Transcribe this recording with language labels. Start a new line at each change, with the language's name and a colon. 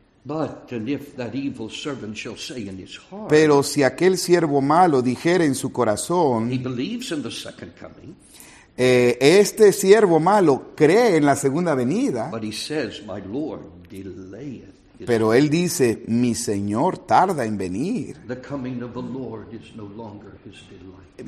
English: But and if that evil servant shall say in his heart,
Spanish: pero si aquel siervo malo dijere en su corazón,
English: he believes in the second coming,
Spanish: este siervo malo cree en la segunda venida,
English: but he says, my Lord delayeth.
Spanish: Pero él dice, mi Señor tarda en venir.
English: The coming of the Lord is no longer his delight.